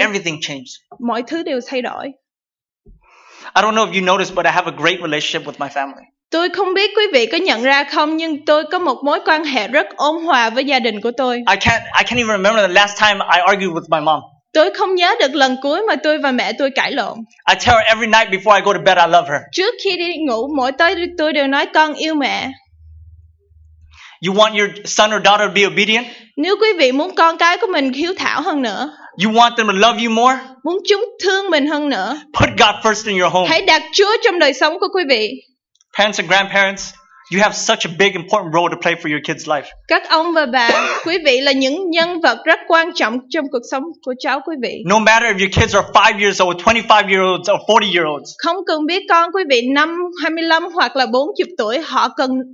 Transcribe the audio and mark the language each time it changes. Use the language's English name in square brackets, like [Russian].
[English] Everything changed. [Vietnamese] Mọi thứ đều thay đổi. [English] I don't know if you noticed, but I have a great relationship with my family. [Vietnamese] Tôi không biết quý vị có nhận ra không, nhưng tôi có một mối quan hệ rất ôn hòa với gia đình của tôi. [English] I can't even remember the last time I argued with my mom. [Vietnamese] Tôi không nhớ được lần cuối mà tôi và mẹ tôi cãi lộn. [English] I tell her every night before I go to bed I love her. [Vietnamese] Trước khi đi ngủ mỗi tối tôi đều nói con yêu mẹ. [English] You want your son or daughter to be obedient? [Vietnamese] Nếu quý vị muốn con cái của mình hiếu thảo hơn nữa. [English] You want them to love you more? [Vietnamese] Muốn chúng thương mình hơn nữa. [English] Put God first in your home. [Vietnamese] Hãy đặt Chúa trong đời sống của quý vị. [English] Parents and grandparents, you have such a big important role to play for your kids' life. [Vietnamese] Các ông và bà, quý vị là những nhân vật rất quan trọng trong cuộc sống của cháu quý vị. [English] No matter if your kids are 5 years old, 25 years old or 40 years old. [Vietnamese] Không cần biết con quý vị năm 25 hoặc là 40 tuổi, họ cần